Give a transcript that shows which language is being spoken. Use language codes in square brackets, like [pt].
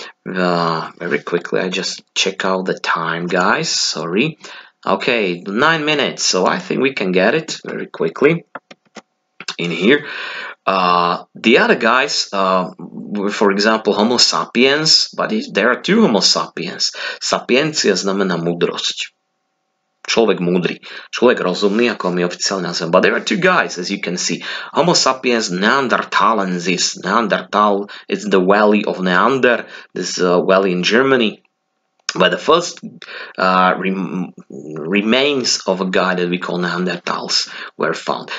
[en] Very quickly, I just check out the time, guys. Sorry. Okay, 9 minutes. So I think we can get it very quickly in here. The other guys, for example, Homo sapiens, but there are two Homo sapiens. [sk] Sapiencia znamená mudrosť. Človek múdry, človek rozumný, ako my oficiálne nazývam. [en] But there are two guys, as you can see. Homo sapiens neanderthalensis. Neanderthal is the valley of Neander. This is a valley in Germany. But the first remains of a guy that we call Neanderthals were found.